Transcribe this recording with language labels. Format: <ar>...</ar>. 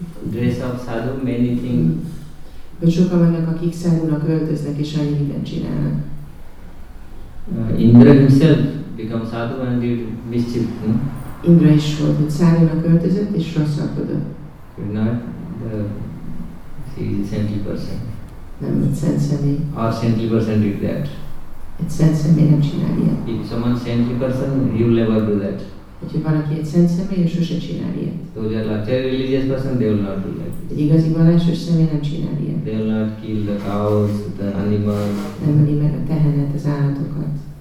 <en>Dress of sadhu, many thing.</en> <hu>De sokan vannak, akik sadhunak öltöznek és annyi mindent csinálnak.</hu> <en>Indra himself become sadhu and did mischief.</en> <hu>Indra is volt, hogy sadhunak öltözött és rosszalkodott.</hu> <en>Not the gentle person.</en> <hu>Nem egy szent személy.</hu> <en>Or saintly person did that.</en> <hu>Egy szent személy nem csinál ilyet.</hu> <en>If someone saintly person, he will never do that.</en> <hu>Hogyha valaki egy szent személy, ő sose csinál ilyet.</hu> <en>Those are larger religious person, they will not do that.</en> <hu>Egy igazi vallásos személy nem csinál ilyet.</hu> <en>They will not kill the cows, the animals.</en> <hu>Nem öli meg a tehenet, az állatokat.</hu>